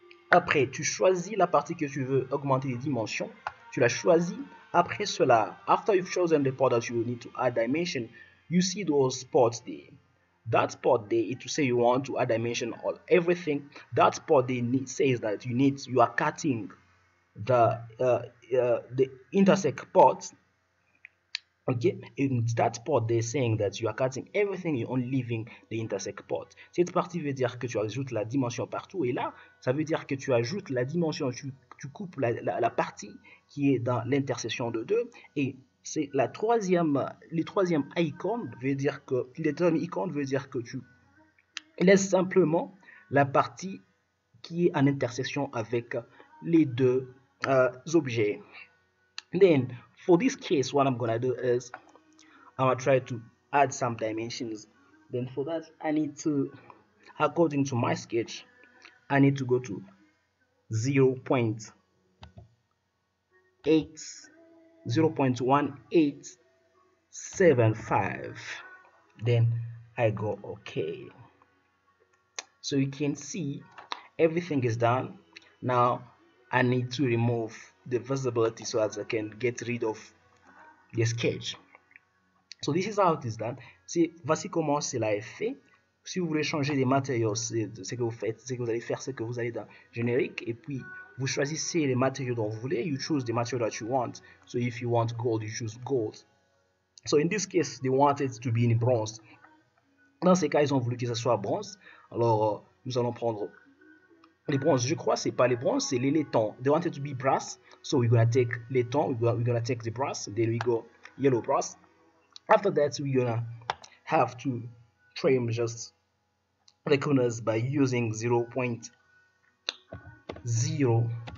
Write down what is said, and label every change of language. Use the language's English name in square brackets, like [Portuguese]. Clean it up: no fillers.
[French] Après, tu choisis la partie que tu veux augmenter les dimensions. Tu la choisis. Après cela, [English] after you've chosen the part that you need to add dimension, you see those spots there. That spot there, it will say you want to add dimension on everything. That spot there says that you are cutting the intersect part. Okay, in that part they're saying that you are cutting everything, you're only leaving the intersect part. [French] Cette partie veut dire que tu ajoutes la dimension partout, et là ça veut dire que tu ajoutes la dimension, tu coupes la partie qui est dans l'intersection de deux. Et c'est la troisième, le troisième icône veut dire que tu laisses simplement la partie qui est en intersection avec les deux objets. [English] Then for this case, what I'm gonna do is I'm gonna try to add some dimensions. Then for that, I need to, according to my sketch, I need to go to 0.1875. Then I go okay. So you can see everything is done. Now I need to remove the visibility so that I can get rid of the sketch. So this is how it is done. See, [French] voici comment cela est fait. Si vous voulez changer les matériaux, ce que vous faites, c'est que vous allez faire ce que vous allez dans générique, et puis vous choisissez les matériaux dont vous voulez. [English] You choose the material that you want. So if you want gold, you choose gold. So in this case, they wanted to be in bronze. [French] Dans ces cas, ils ont voulu que ce soit bronze. Alors nous allons prendre les bronzes, je crois, c'est pas les bronzes, c'est les laitons. [English] They wanted to be brass, so we're gonna take laiton, we're gonna take the brass. Then we go yellow brass. After that, we're gonna have to trim just the corners by using 0.02.